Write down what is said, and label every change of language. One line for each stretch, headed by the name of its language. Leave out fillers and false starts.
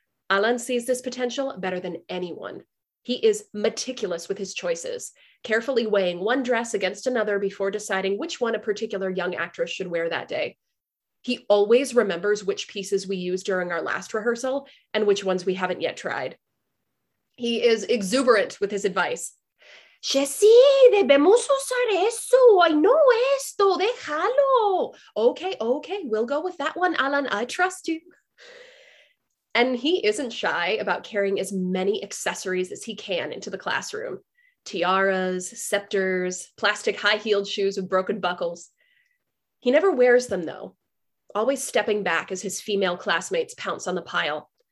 English: Alan sees this potential better than anyone. He is meticulous with his choices, carefully weighing one dress against another before deciding which one a particular young actress should wear that day. He always remembers which pieces we used during our last rehearsal and which ones we haven't yet tried. He is exuberant with his advice.
Spanish: Jessie, debemos usar eso.
English: I know
Spanish: esto. Déjalo.
English: Okay. We'll go with that one, Alan. I trust you. And he isn't shy about carrying as many accessories as he can into the classroom. Tiaras, scepters, plastic high-heeled shoes with broken buckles. He never wears them, though, always stepping back as his female classmates pounce on the pile.